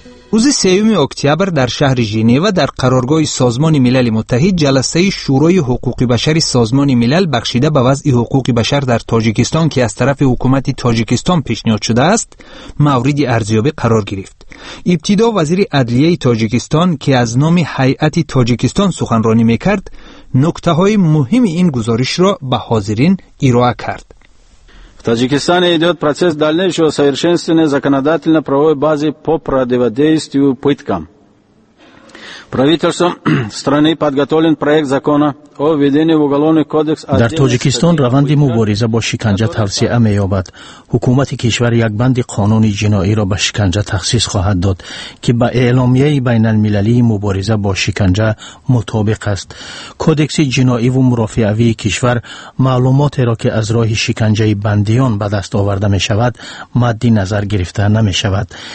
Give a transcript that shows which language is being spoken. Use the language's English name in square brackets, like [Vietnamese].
[Persian] روز 3 اکتبر در شهر ژنو در قرارگاه سازمان ملل متحد جلسه شورای حقوق بشر سازمان ملل بخشیده به وضع حقوق بشر در تاجیکستان که از طرف حکومت تاجیکستان پیشنهاد شده است مورد ارزیابی قرار گرفت. ابتدا وزیر عدلیه تاجیکستان که از نام هیئت تاجیکستان سخنرانی میکرد نکته های مهم این گزارش را به حاضرین ارائه کرد. [Russian] В Таджикистане идет процесс дальнейшего совершенствования законодательно-правовой базы по противодействию пыткам. Правительством страны подготовлен проект закона о введении в уголовный кодекс. [Tajik] Дар Таджикистан раванди мубориза бо шиканжа тавсия меёбад. Ҳукумати кишвар як банди қонуни ҷиноиро ба шиканжа тахсис хоҳад дод, ки ба эъломияи байналмилалии мубориза бо шиканжа мутобиқ аст. Кодекси ҷиноӣ ва мурофиавии кишвар маълумотеро ки аз роҳи шиканжаи бандиён ба даст оварда мешавад, мадди назар гирифта намешавад.